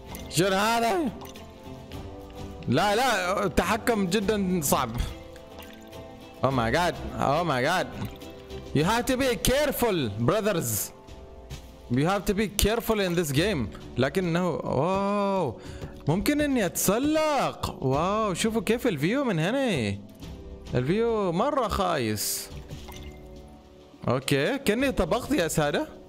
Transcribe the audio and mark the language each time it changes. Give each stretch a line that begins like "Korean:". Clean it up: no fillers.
Arabic: شنو هذا؟ لا لا التحكم جدا صعب.
English: Oh my god. Oh my god. You have to be careful brothers. You have to be careful in this game.
Arabic: لكنه واو ممكن اني اتسلق. واو شوفوا كيف الفيو من هنا. الفيو مره خايس. اوكي كني طبخت يا ساده.